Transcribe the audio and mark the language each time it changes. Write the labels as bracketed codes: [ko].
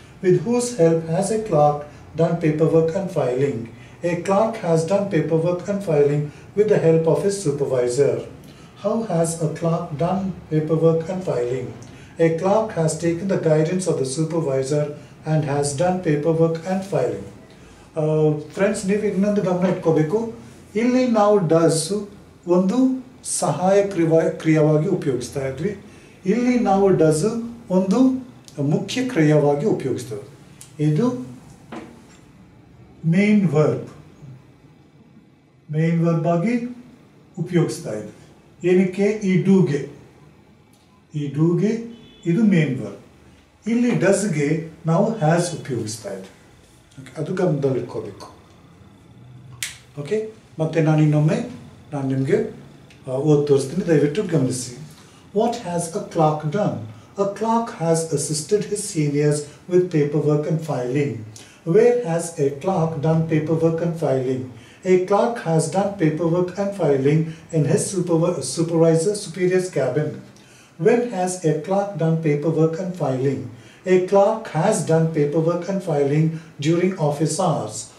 [en] With whose help has a clerk done paperwork and filing? A clerk has done paperwork and filing with the help of his supervisor. How has a clerk done paperwork and filing? A clerk has taken the guidance of the supervisor and has done paperwork and filing. [kn] Friends, ನೀವು ಇನ್ನೊಂದು ಗಮನ ಇಟ್ಕೋಬೇಕು. ಇಲ್ಲಿ ನಾವು does ಒಂದು ಸಹಾಯ ಕ್ರಿಯಾವಾಗಿ ಉಪಯೋಗಿಸ್ತಾ ಇದ್ವಿ. ಇಲ್ಲಿ ನಾವು ಡಸ್ ಒಂದು ಮುಖ್ಯ ಕ್ರಿಯಾವಾಗಿ ಉಪಯೋಗಿಸ್ತೇವೆ. ಇದು ಮೇನ್ ವರ್ಬ್, ಮೇನ್ ವರ್ಬ್ ಆಗಿ ಉಪಯೋಗಿಸ್ತಾ ಇದೆ. ಏನಕ್ಕೆ? ಈ ಡೂಗೆ, ಈ ಡೂಗೆ ಇದು ಮೇನ್ ವರ್ಬ್. ಇಲ್ಲಿ ಡಸ್ಗೆ ನಾವು ಹ್ಯಾಸ್ ಉಪಯೋಗಿಸ್ತಾ ಇದೆ. ಓಕೆ, ಅದು ಗಮನದಲ್ಲಿ ಇಟ್ಕೋಬೇಕು. ಓಕೆ, ಮತ್ತೆ ನಾನು ಇನ್ನೊಮ್ಮೆ ನಾನು ನಿಮಗೆ ಓದಿ ತೋರಿಸ್ತೀನಿ, ದಯವಿಟ್ಟು ಗಮನಿಸಿ. [en] What has a clerk done? A clerk has assisted his seniors with paperwork and filing. Where has a clerk done paperwork and filing? A clerk has done paperwork and filing in his superior's cabin. When has a clerk done paperwork and filing? A clerk has done paperwork and filing during office hours.